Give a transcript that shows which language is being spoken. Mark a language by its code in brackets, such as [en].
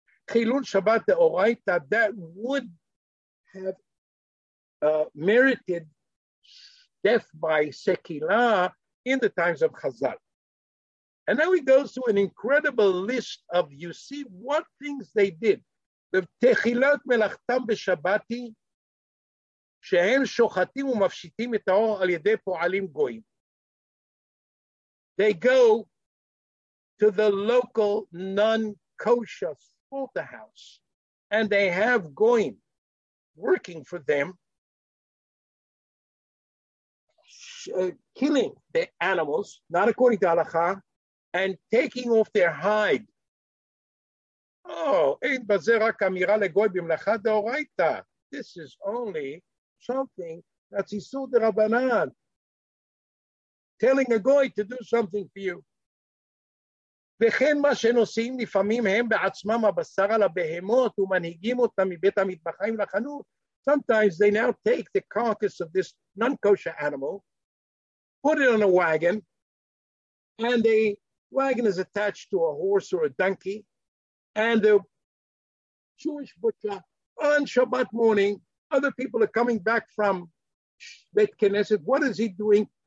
[en] chilul Shabbat de'oraita that would have merited death by sekila in the times of Chazal. And now he goes to an incredible list of, you see, what things they did. [he] The techilat melachtam b'shabbati, שהם שוחטים ומפשיטים את האור על ידי פועלים גויים. [en] They go to the local non-kosher slaughterhouse and they have goyim working for them, killing the animals, not according to halakha, and taking off their hide. [he] Oh, אין בזה רק אמירה לגוי במלאכה דאורייתא. [en] This is only something that's Isur de Rabbanan, telling a goy to do something for you. [he] וכן מה שנושאים לפעמים הם בעצמם הבשר על הבהמות ומנהיגים אותם מבית המטבחיים לחנות. [en] Sometimes they now take the carcass of this non-kosher animal, put it on a wagon, and the wagon is attached to a horse or a donkey, and the Jewish butcher on Shabbat morning, other people are coming back from Bet Knesset. What is he doing?